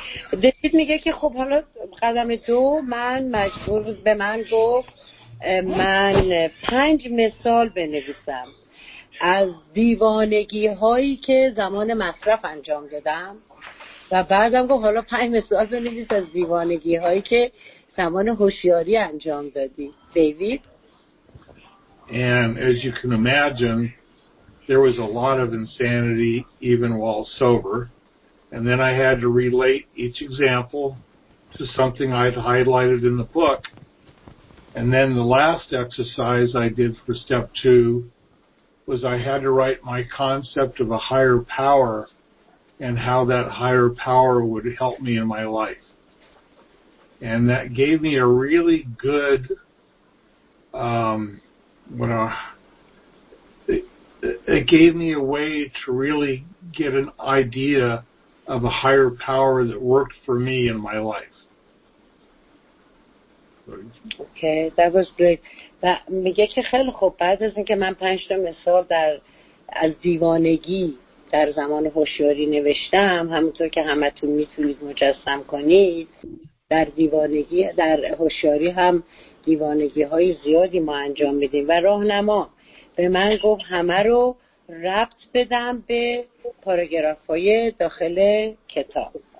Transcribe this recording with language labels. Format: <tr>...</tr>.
<fa>دیوید میگه که خب حالا قدم دو من مجبور به من گفت من 5 مثال بنویسم از دیوانگی هایی که زمان مصرف انجام دادم و بعدم گفت حالا 5 مثال بنویس از دیوانگی هایی که زمان هوشیاری انجام دادی. دیوید</fa> <en>and as you can imagine there was a lot of insanity even while sober. And then I had to relate each example to something I'd highlighted in the book. And then the last exercise I did for step 2 was I had to write my concept of a higher power and how that higher power would help me in my life. And that gave me a really good, it gave me a way to really get an idea of a higher power that worked for me in my life. Okay, that was great.</en> <fa>میگه که خیلی خوب بعد از اینکه من 5 تا مثال در از دیوانگی در زمان هوشیاری نوشتم، همونطور که همتون میتونید مجسم کنید، در دیوانگی در هوشیاری هم دیوانگی های زیادی ما انجام میدیم و راهنما به من گفت همه رو ربط بدم به پاراگراف های داخل کتاب.</fa>